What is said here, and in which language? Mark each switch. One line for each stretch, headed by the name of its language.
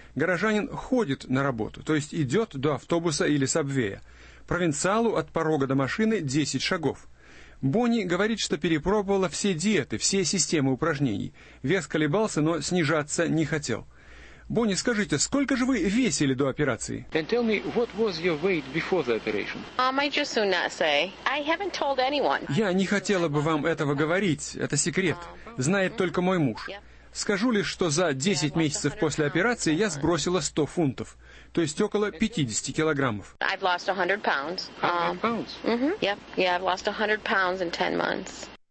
Russian: Горожанин ходит на работу, то есть идет до автобуса или сабвея. Провинциалу от порога до машины 10 шагов. Бонни говорит, что перепробовала все диеты, все системы упражнений. Вес колебался, но снижаться не хотел. Бонни, скажите, сколько же вы весили до операции?
English: And tell me, what was your weight before the operation? I just would not say. I haven't told anyone.
Russian: Я не хотела бы вам этого говорить, это секрет. Знает только мой муж. Скажу лишь, что за 10 месяцев после операции я сбросила 100 фунтов. То есть около 50 килограммов.
English: I've lost 100 pounds. 100 pounds? Mm-hmm. Yep. Yeah, I've lost 100 pounds in 10 months.